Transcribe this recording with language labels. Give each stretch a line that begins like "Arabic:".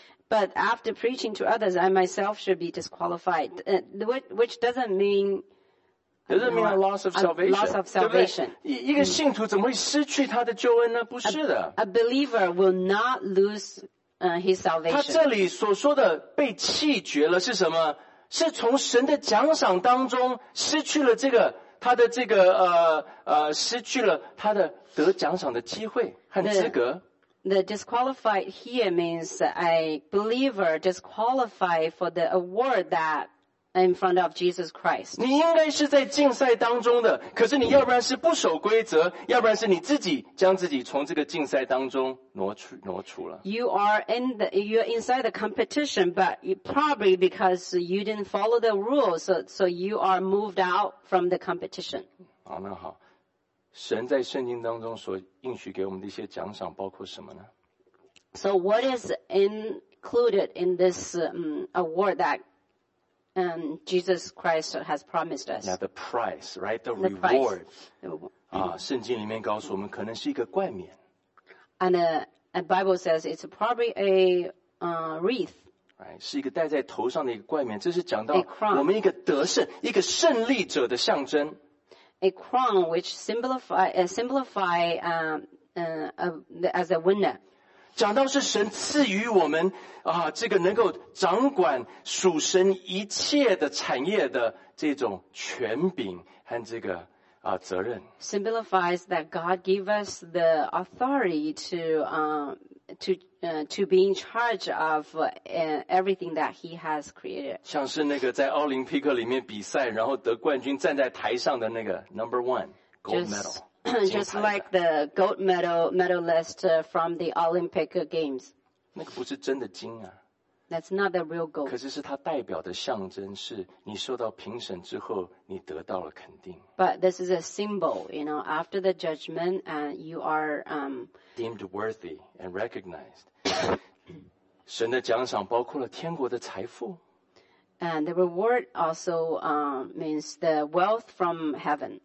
English: But after preaching to others, I myself should be disqualified. Which doesn't mean a loss of salvation. Loss of salvation.
Chinese: 对不对？一个信徒怎么会失去他的救恩呢？不是的。
English: A believer will not lose his salvation.
Chinese: 他这里所说的被弃绝了是什么？是从神的奖赏当中失去了这个他的这个失去了他的得奖赏的机会和资格。
English: The disqualified here means a believer disqualified for the award that in front of Jesus Christ.
Chinese: 你应该是在竞赛当中的，可是你要不然是不守规则，要不然是你自己将自己从这个竞赛当中挪出了。
English: You're inside the competition, but probably because you didn't follow the rules, so you are moved out from the competition.
Chinese: 好，那好。神在圣经当中所应许给我们的一些奖赏包括什么呢？
English: So what is included in this award that Jesus Christ has promised us? Now the price, right? The reward. Price.
Chinese: 圣经里面告诉我们可能是一个冠冕。
English: And the Bible says it's probably a wreath.
Chinese: Right, 是一个戴在头上的一个冠冕，这是讲到我们一个得胜，一个胜利者的象征。
English: A crown which symbolify as a winner.
Chinese: 讲到是神赐予我们啊，这个能够掌管属神一切的产业的这种权柄和这个啊责任。
English: Symbolifies that God gave us the authority to be in charge of everything that He has created.
Chinese: 像是那个在奥林匹克里面比赛，然后得冠军，站在台上的那个
English: number one gold medal。 Just like the gold medalist from the Olympic Games.
Chinese: 那个不是真的金啊。
English: That's not the real gold.
Chinese: 可是是它代表的象征，是你受到评审之后，你得到了肯定。
English: But this is a symbol, you know, after the judgment, and you are deemed worthy and recognized.
Chinese: 神的奖赏包括了天国的财富。
English: And the reward also means the wealth from heaven.